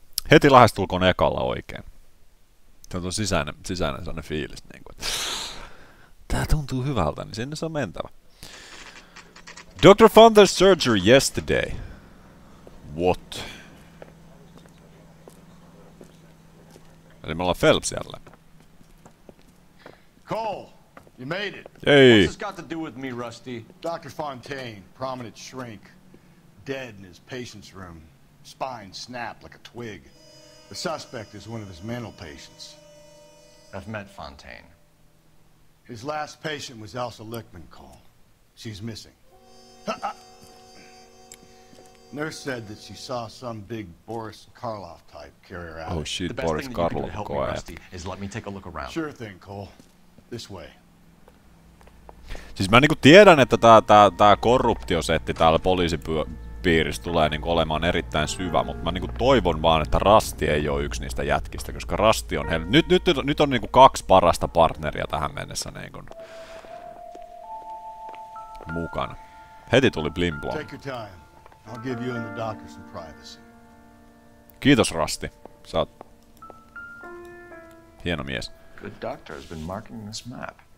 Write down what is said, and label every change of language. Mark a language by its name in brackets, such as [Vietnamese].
[Finnish] Heti lähestulkoon ekalla oikein. Tämä on sisäinen sellainen fiilis. Niin kuin. Tämä tuntuu hyvältä, niin sinne se on mentävä. [English] Dr. Funder's surgery yesterday. What? [Finnish] Eli me ollaan Phelps jälleen. [English] Cole, you made it. Hey. What's this got to do with me, Rusty? Dr. Fontaine, prominent shrink. Dead in his patient's room. Spine snapped like a twig. The suspect is one of his mental patients. I've met Fontaine. His last patient was Elsa Lichtman, Cole. She's missing. Nurse said that she saw some big Boris Karloff type carry her out. Oh, shoot, Boris Karloff. The best thing that you can do to help me, Rusty, is let me take a look around. Sure thing, Cole. This way. [Finnish] Siis mä niinku tiedän, että tää korruptiosetti täällä poliisipiirissä tulee niinku olemaan erittäin syvä, mutta mä niinku toivon vaan, että Rusty ei ole yksi niistä jätkistä, koska Rusty on nyt on niinku kaksi parasta partneria tähän mennessä niinku mukana. Heti tuli blimblom. [English] Take your time. I'll give you and the doctor some privacy. [Finnish] Kiitos, Rusty. Sä oot hieno mies. [English] Good doctor has been marking this map.